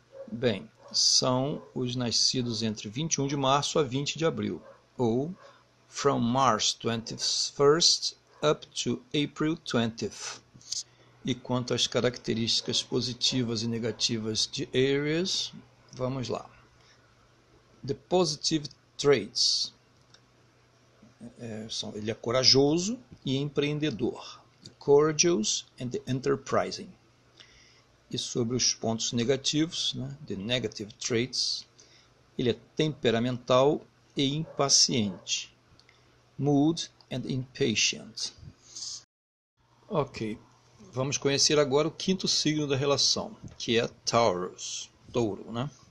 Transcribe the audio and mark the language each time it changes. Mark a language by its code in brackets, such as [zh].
[pt] Bem, são os nascidos entre 21 de março a 20 de abril, ou [en] from March 21st up to April 20th. [pt] E quanto às características positivas e negativas de Aries, vamos lá. [en] The positive traits. [pt] Ele é corajoso e empreendedor. [en] Courageous and enterprising. [pt] E sobre os pontos negativos, né, [en] the negative traits, [pt] ele é temperamental e impaciente. [en] Mood and impatient. [pt] Ok, vamos conhecer agora o quinto signo da relação, que é Taurus, touro, né?